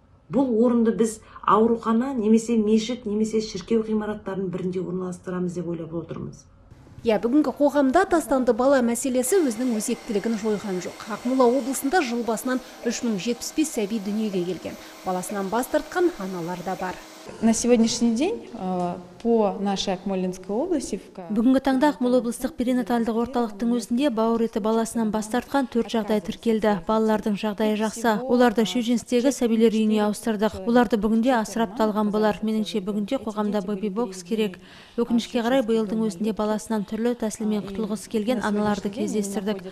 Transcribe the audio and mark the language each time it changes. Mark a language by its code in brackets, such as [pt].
[kk] Бұл орынды біз аурухана немесе мешіт немесе шіркеу ғимараттарының бірінде орналастырамыз деп ойлап отырмыз. Бүгінгі қоғамда тастанды бала мәселесі өзінің өзектілігін жойған жоқ. Ақмола облысында жыл басынан 3075 сәби дүниеге келген. Баласынан бас тартқан аналар да бар. [ru] На сегодняшний день по нашей Акмолинской области. [kk] Бүгінгі таңда Ақмола облыстық перинатальдық орталықтың өзінде бауыр еті баласынан бас тартқан 4 жағдай тіркелді. Балалардың жағдайы жақсы. Оларды шежінстегі сәбилер үйіне ауыстырдық. Оларды бүгінде асырап талған болар. Меніңше бүгінде қоғамда бэби-бокс керек. Өкінішке қарай биылдың өзінде баласынан түрлі тәсілмен құтылғысы келген аналарды кездестірдік.